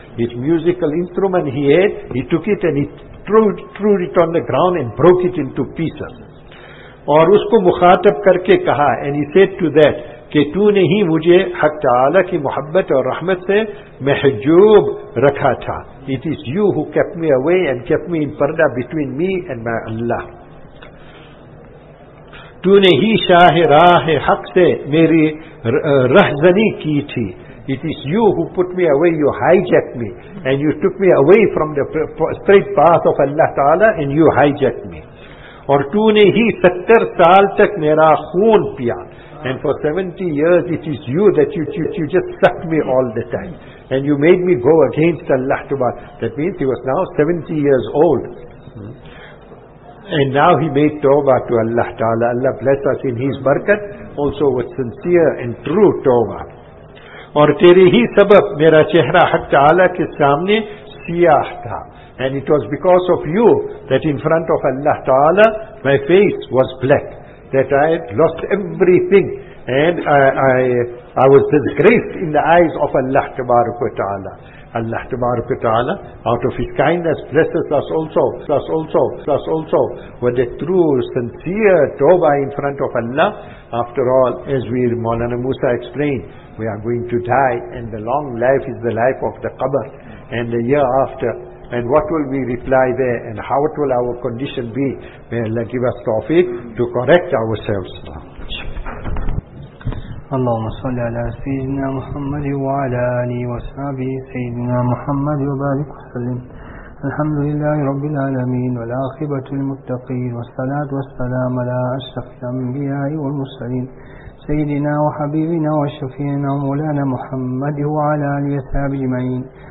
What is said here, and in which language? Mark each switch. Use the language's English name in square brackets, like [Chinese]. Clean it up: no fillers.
[English] His musical instrument he had, he took it and he threw it on the ground and broke it into pieces. [Urdu] اور اس کو مخاطب کر کے کہا, [English] and he said to that, [Urdu] کہ تو نے ہی مجھے حق تعالیٰ کی محبت اور رحمت سے محجوب رکھا تھا. [English] It is you who kept me away and kept me in parda between me and my Allah. [Urdu] تو نے ہی شاہ راہ حق سے میری رہزنی کی تھی. [English] It is you who put me away, you hijacked me, and you took me away from the straight path of Allah Ta'ala and you hijacked me. [Urdu] اور تو نے ہی 70 سال تک میرا خون پیا. [English] And for 70 years it is you that you just sucked me all the time. And you made me go against Allah Ta'ala. That means he was now 70 years old. And now he made tawbah to Allah Ta'ala. Allah bless us in his barakat also with sincere and true tawbah. [Urdu] Aur tere hi sabab mera chehra Haq Ta'ala ke samne siyah tha. [English] And it was because of you that in front of Allah Ta'ala my face was black. That I had lost everything and I was disgraced in the eyes of Allah Tabaraka Ta'ala. Allah Tabaraka Ta'ala, out of His kindness, blesses us also, with the true, sincere tawbah in front of Allah. After all, as we, Maulana Musa explained, we are going to die and the long life is the life of the qabr and the year after. And what will we reply there and how it will our condition be? May Allah give us tawfiq to correct ourselves. [Arabic] اللهم صل على سيدنا محمد وعلى آله وصحبه سيدنا محمد وبارك وسلم. الحمد لله رب العالمين والعاقبة للمتقين والصلاة والسلام على أشرف الأنبياء والمرسلين سيدنا وحبيبنا وشفينا مولانا محمد وعلى آله وصحبه أجمعين.